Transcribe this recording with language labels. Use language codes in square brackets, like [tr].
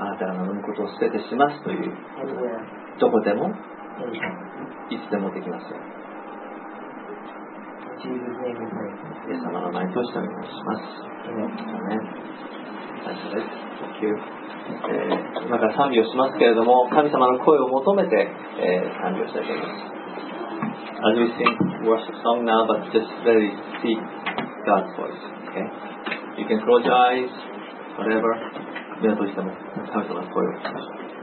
[ja] あなたが望むことを捨ててしますという、どこでも、いつでもできますよ。イエス様の名前としてお願いします。今から賛美をしますけれども、神様の声を求めて、賛美をしたいと思います。 [en] As we sing worship song now, but just really seek God's voice. Okay? You can close your eyes, whatever. [ja] 目を閉じても神様の声を聞きましょう。